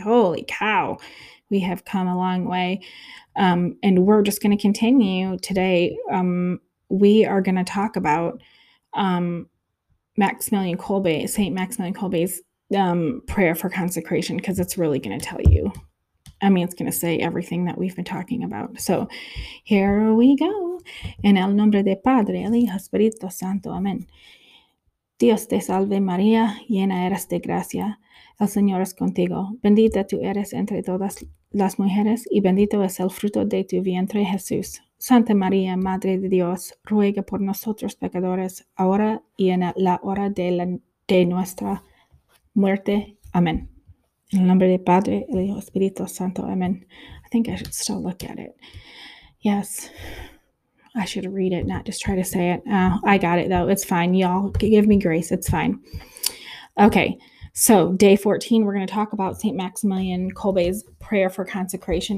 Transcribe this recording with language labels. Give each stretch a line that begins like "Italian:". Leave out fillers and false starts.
English: Holy cow, we have come a long way. And we're just going to continue today. We are going to talk about Maximilian Kolbe, St. Maximilian Kolbe's prayer for consecration, because it's really going to tell you. I mean, it's going to say everything that we've been talking about. So here we go.
Spanish: En el nombre de Padre, el Hijo, Espíritu Santo. Amén. Dios te salve, María. Llena eres de gracia. El Señor es contigo. Bendita tú eres entre todas las mujeres. Y bendito es el fruto de tu vientre, Jesús. Santa María, Madre de Dios, ruega por nosotros pecadores, ahora y en la hora de, de nuestra muerte.
English: Amén. In the name of the Father, the Holy Spirit, Santo. Amen. I think I should still look at it. Yes, I should read it, not just try to say it. I got it though. It's fine. Y'all give me grace. It's fine. Okay. So day 14, we're going to talk about Saint Maximilian Kolbe's prayer for consecration.